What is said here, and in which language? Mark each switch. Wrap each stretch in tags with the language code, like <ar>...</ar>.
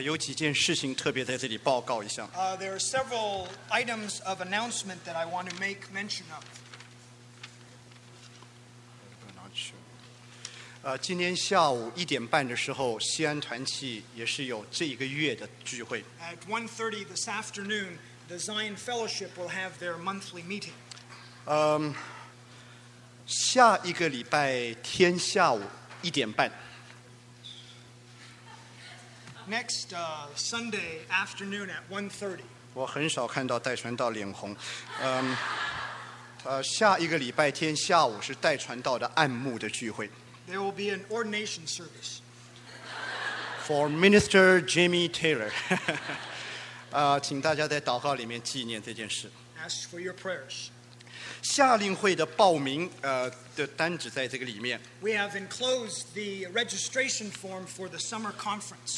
<zh>有几件事情特别在这里报告一下。</zh> <en>There are several items of announcement that I want to make mention of.</en> <zh>今天下午一点半的时候，西安团契也是有这一个月的聚会。</zh> <en>At 1:30 this afternoon, the Zion Fellowship will have their monthly meeting.</en> <zh>下一个礼拜天下午一点半。</zh> <en>Next Sunday afternoon at 1:30.</en> <zh>我很少看到戴传道脸红。下一个礼拜天下午是戴传道的按摩的聚会。</zh> <en>There will be an ordination service for Minister Jimmy Taylor.</en> <zh>请大家在祷告里面纪念这件事。</zh> <en>Ask for your prayers.</en> <zh>夏令会的报名的单子在这个里面。</zh> <en>We have enclosed the registration form for the summer conference.</en>